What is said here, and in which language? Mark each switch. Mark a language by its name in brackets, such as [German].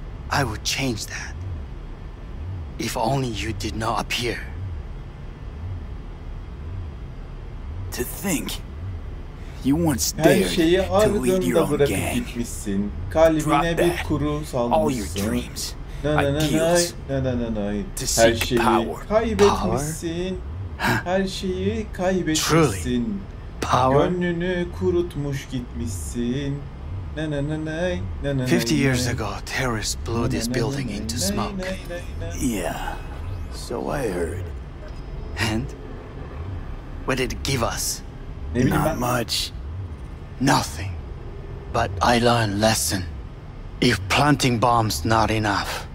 [English] I would change that. If only you did not appear. To think, you once dared to lead your own gang. [Turkish] Kalbine bir kuru salmışsın. [English] All your dreams, ideals, to seek power. [Turkish] Kaybetmişsin. Her şeyi kaybetmişsin. Gönlünü kurutmuş gitmişsin. [English] 50 years ago, terrorists blew this building into smoke. Yeah, so I heard. And what did it give us? Not much. Nothing. But I learned lesson. If planting bombs not enough,